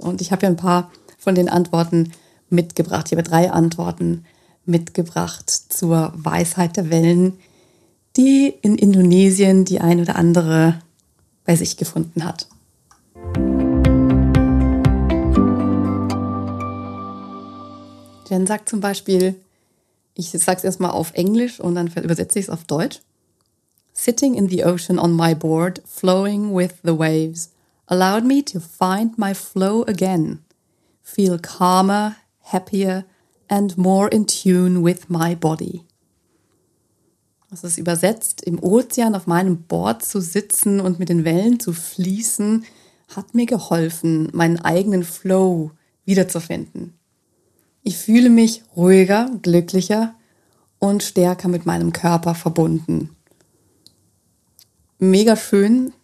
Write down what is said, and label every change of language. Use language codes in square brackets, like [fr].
[de] Und ich habe ja ein paar von den Antworten mitgebracht. Ich habe drei Antworten mitgebracht zur Weisheit der Wellen, die in Indonesien die ein oder andere bei sich gefunden hat. Jen sagt zum Beispiel, ich sage es erstmal auf Englisch und dann übersetze ich es auf Deutsch. [en] Sitting in the ocean on my board, flowing with the waves, allowed me to find my flow again, feel calmer, happier and more in tune with my body. [de] Das ist übersetzt, im Ozean auf meinem Board zu sitzen und mit den Wellen zu fließen, hat mir geholfen, meinen eigenen Flow wiederzufinden. Ich fühle mich ruhiger, glücklicher und stärker mit meinem Körper verbunden. Mega schön.